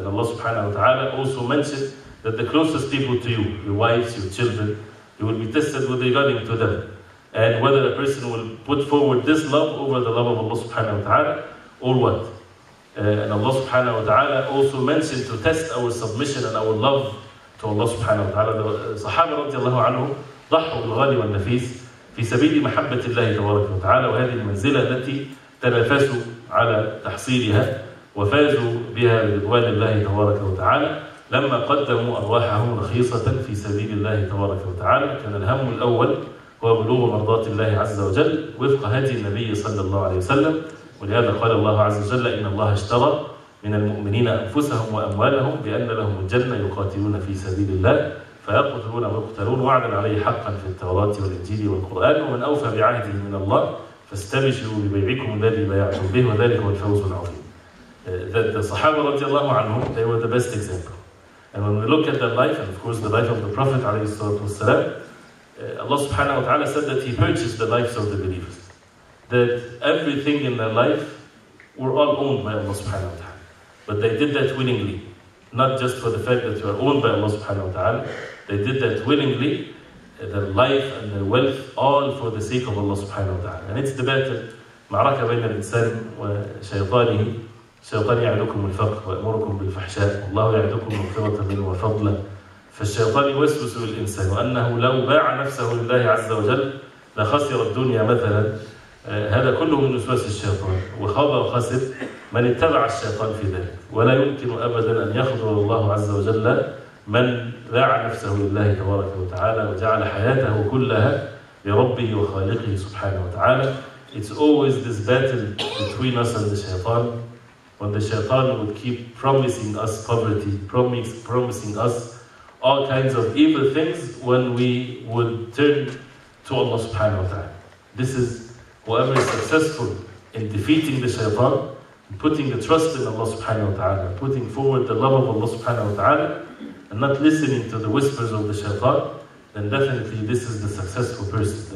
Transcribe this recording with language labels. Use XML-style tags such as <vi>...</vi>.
<en>And Allah subhanahu wa ta'ala also mentioned that the closest people to you, your wives, your children, you will be tested with regard to them. And whether a person will put forward this love over the love of Allah subhanahu wa ta'ala or what. And Allah subhanahu wa ta'ala also mentioned to test our submission and our love to Allah subhanahu wa ta'ala. The Sahaba radiallahu anhu,</en> <ar>ضحوا بالغالي والنفيس في سبيل محبة الله تبارك وتعالى وهذه المنزلة التي تنافسوا على تحصيلها وفازوا بها برضوان الله تبارك وتعالى لما قدموا أرواحهم رخيصة في سبيل الله تبارك وتعالى. كان الهم الأول هو بلوغ مرضات الله عز وجل وفق هدي النبي صلى الله عليه وسلم. ولهذا قال الله عز وجل إن الله اشترى من المؤمنين أنفسهم وأموالهم بأن لهم الجنة يقاتلون في سبيل الله فيقتلون ويقتلون وعدا عليه حقا في التوراة والإنجيل والقرآن ومن أوفى بعهده من الله فاستبشروا ببيعكم الذي بايعتم به وذلك هو الفوز العظيم.</ar> <en>The Sahaba</en> <ar>رضي الله عنهم,</ar> <en>they were the best example. And when we look at their life, and of course the life of the Prophet</en> <ar>عليه الصلاة والسلام,</ar> <en>Allah subhanahu wa ta'ala said that he purchased the lives of the believers. That everything in their life were all owned by Allah subhanahu wa ta'ala. But they did that willingly. Not just for the fact that you are owned by Allah subhanahu wa ta'ala. They did that willingly. Their life and their wealth, all for the sake of Allah subhanahu wa ta'ala. And it's the battle.</en> <ar>معركة بين الإنسان وشيطانه. الشيطان يعدكم الفقر ويأمركم بالفحشاء. الله يعدكم مغفرة منه وفضلا. فالشيطان يوسوس للإنسان وأنه لو باع نفسه لله عز وجل لخسر الدنيا مثلا. هذا كله من وسواس الشيطان. وخاب وخسر من اتبع الشيطان في ذلك. ولا يمكن أبدا أن يخضر الله عز وجل من باع نفسه لله تبارك وتعالى وجعل حياته كلها لربه وخالقه سبحانه وتعالى.</ar> <en>It's always this battle between us and the shaitan. When the shaitan would keep promising us poverty, promising us all kinds of evil things when we would turn to Allah subhanahu wa ta'ala. This is whoever is successful in defeating the shaitan, putting the trust in Allah subhanahu wa ta'ala, putting forward the love of Allah subhanahu wa ta'ala, and not listening to the whispers of the shaitan, then definitely this is the successful person.</en>